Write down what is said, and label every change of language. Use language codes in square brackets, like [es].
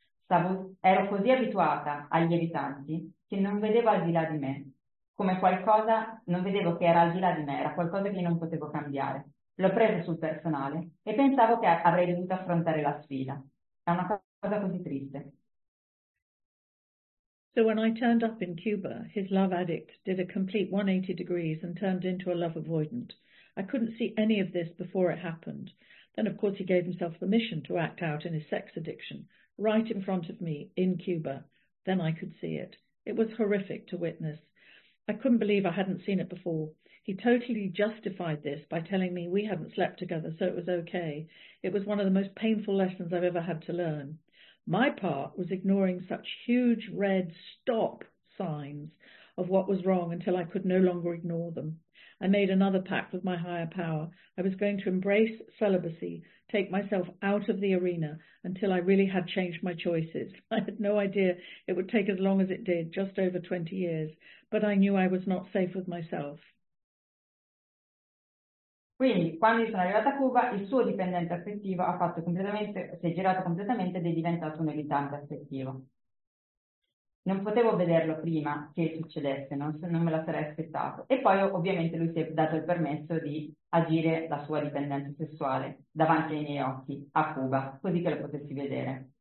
[it] Ero così abituata agli evitanti che non vedevo al di là di me. Come qualcosa, non vedevo che era al di là di me, era qualcosa che non potevo cambiare. L'ho preso sul personale e pensavo che avrei dovuto affrontare la sfida. È una cosa così triste. [en] So when I turned up in Cuba, his love addict did a complete 180 degrees and turned into a love avoidant. I couldn't see any of this before it happened. Then of course he gave himself permission to act out in his sex addiction, right in front of me in Cuba. Then I could see it. It was horrific to witness. I couldn't believe I hadn't seen it before. He totally justified this by telling me we hadn't slept together, so it was okay. It was one of the most painful lessons I've ever had to learn. My part was ignoring such huge red stop signs of what was wrong until I could no longer ignore them. I made another pact with my higher power. I was going to embrace celibacy, take myself out of the arena until I really had changed my choices. I had no idea it would take as long as it did, just over 20 years, but I knew I was not safe with myself. [it] Quindi, quando sono arrivata a Cuba, il suo dipendente affettivo ha fatto completamente, si è girato completamente ed è diventato un evitante affettivo. Non potevo vederlo prima che succedesse, non me la sarei aspettato. E poi ovviamente lui si è dato il permesso di agire la sua dipendenza sessuale davanti ai miei occhi a Cuba, così che lo potessi vedere.